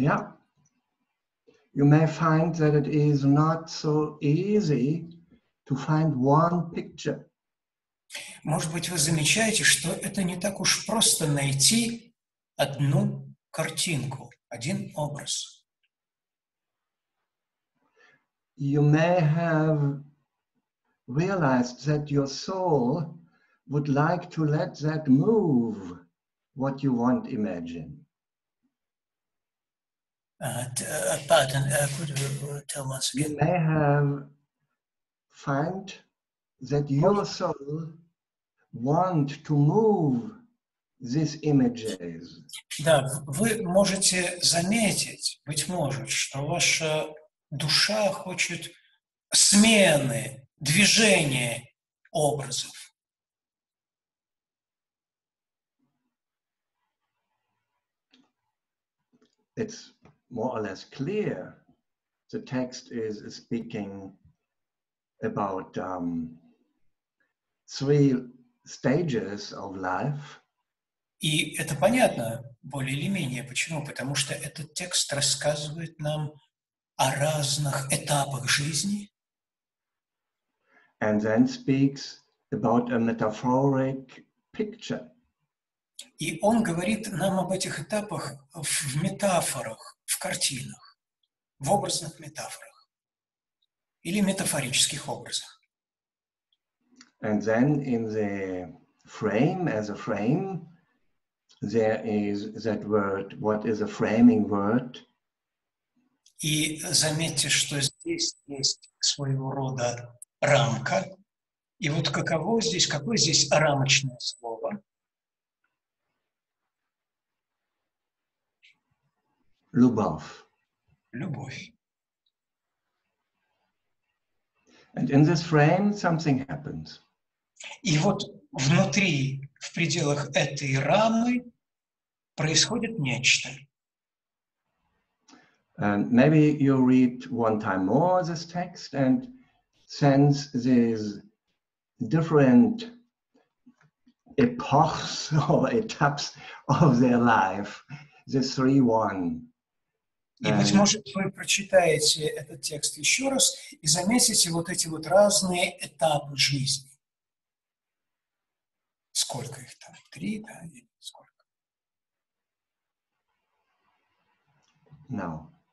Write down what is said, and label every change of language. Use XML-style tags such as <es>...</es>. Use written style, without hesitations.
<en>Yeah, you may find that it is not so easy to find one picture.</en> <ru>Может быть, вы замечаете, что это не так уж просто найти одну картинку, один образ.</ru> <en>You may have realized that your soul would like to let that move. What you want, imagine. Pardon, could you tell once again? You may have found that your soul want to move these images.</en> <ru>Да, вы можете заметить, быть может, что ваша душа хочет смены, движения образов.</ru> <en>It's more or less clear. The text is speaking about three stages of life.</en> <ru>И это понятно более или менее. Почему? Потому что этот текст рассказывает нам о разных этапах жизни.</ru> <en>And then speaks about a metaphoric picture.</en> <ru>И он говорит нам об этих этапах в метафорах, в картинах, в образных метафорах или метафорических образах.</ru> <en>And then in the frame, as a frame, there is that word, what is a framing word?</en> <ru>И заметьте, что здесь есть своего рода рамка. И вот каково здесь, какое здесь рамочное слово? Любовь.</ru> <en>And in this frame something happens.</en> <ru>И вот внутри, в пределах этой рамы, происходит нечто.</ru> <en>Maybe you read one time more this text and sense these different epochs or etapes of their life, the three one.</en> <ru>И, быть может, вы прочитаете этот текст еще раз и заметите вот эти вот разные этапы жизни. Сколько их там? Три, да, или сколько?</ru> <en>No.</en>